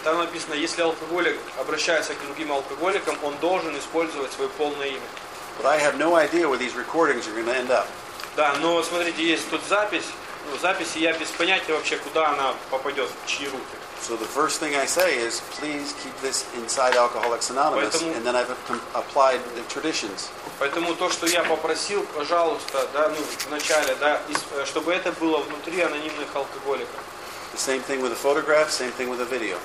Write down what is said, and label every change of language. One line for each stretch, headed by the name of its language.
Russian: Там написано, если алкоголик обращается к другим алкоголикам, он должен использовать свое полное имя.
English: But I have no idea where these recordings are going to end up.
Russian: Да, но смотрите, есть тут запись. Ну, записи я без понятия вообще, куда она попадет, в чьи руки.
English: So the first thing I say is, please keep this inside Alcoholics Anonymous, and then I've applied the traditions.
Russian: Поэтому то, что я попросил, пожалуйста, да, ну, в начале, да, чтобы это было внутри анонимных алкоголиков.
English: The same thing with the photograph, same thing with the video.